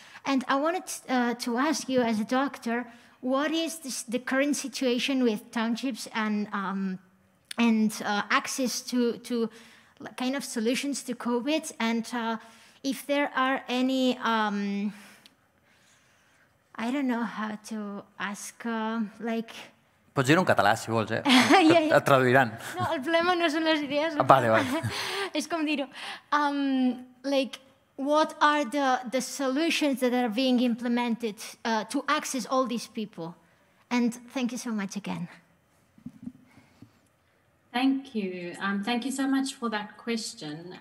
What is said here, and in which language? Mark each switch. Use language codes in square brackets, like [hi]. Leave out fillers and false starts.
[en] And I wanted to ask you, as a doctor, what is the current situation with townships and access to kind of solutions to COVID, and if there are any, I don't know how to ask, like... [ca] Pots dir-ho en català, si vols, eh? [en] Yeah, yeah. [ca] Et traduiran. No, el problema no són les idees. Vale, vale. És com dir-ho. [en] Like, what are the solutions that are being implemented to access all these people? And thank you so much again. Thank you. Thank you so much for that question.